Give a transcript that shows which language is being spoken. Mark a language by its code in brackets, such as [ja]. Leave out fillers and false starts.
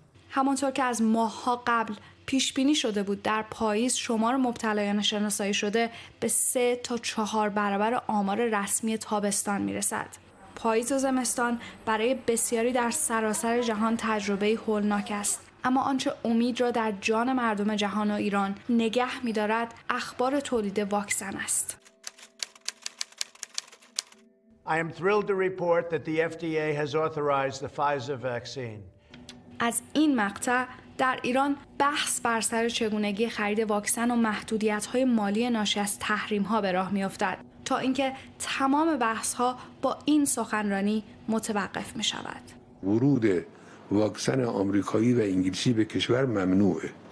[fa] همانطور که از ماه‌ها قبل پیش بینی شده بود، در پاییز شمار مبتلایان شناسایی شده به 3 تا 4 برابر آمار رسمی تابستان میرسد. پاییز و زمستان برای بسیاری در سراسر جهان تجربه‌ای هولناک است، اما آنچه امید را در جان مردم جهان و ایران نگه می‌دارد اخبار تولید واکسن است. [en] I am thrilled to report that the FDA has authorized the Pfizer vaccine. [fa] از این مقطع در ایران بحث بر سر چگونگی خرید واکسن و محدودیت‌های مالی ناشی از تحریم‌ها به راه می‌افتد تا اینکه تمام بحث‌ها با این سخنرانی متوقف می‌شود. ورود واکسن آمریکایی و انگلیسی به کشور ممنوعه.